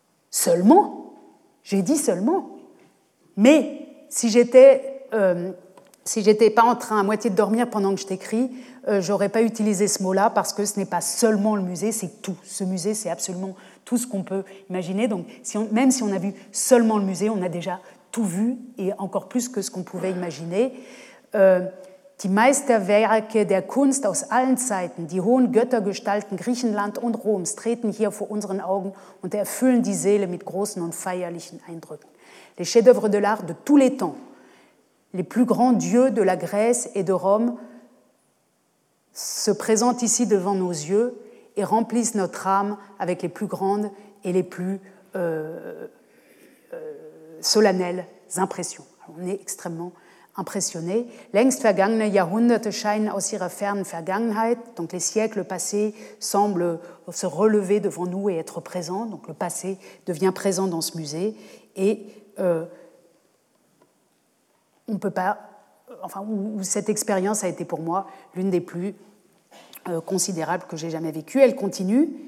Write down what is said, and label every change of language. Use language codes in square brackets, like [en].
[fr] Seulement ? J'ai dit seulement. Mais si j'étais pas en train à moitié de dormir pendant que je t'écris, j'aurais pas utilisé ce mot-là parce que ce n'est pas seulement le musée, c'est tout. Ce musée, c'est absolument tout ce qu'on peut imaginer. Donc même si on a vu seulement le musée, on a déjà tout vu et encore plus que ce qu'on pouvait imaginer. [de] Die Meisterwerke der Kunst aus allen Zeiten, die hohen Göttergestalten Griechenland und Roms, treten hier vor unseren Augen und erfüllen die Seele mit großen und feierlichen Eindrücken. [fr] Les chefs-d'œuvre de l'art de tous les temps, les plus grands dieux de la Grèce et de Rome, se présentent ici devant nos yeux et remplissent notre âme avec les plus grandes et les plus solennelles impressions. On est extrêmement impressionné. [de] Längst vergangene Jahrhunderte scheinen aus ihrer fernen Vergangenheit. [fr] Donc les siècles passés semblent se relever devant nous et être présents. Donc le passé devient présent dans ce musée. Et on ne peut pas. Enfin, où cette expérience a été pour moi l'une des plus considérables que j'ai jamais vécues. Elle continue.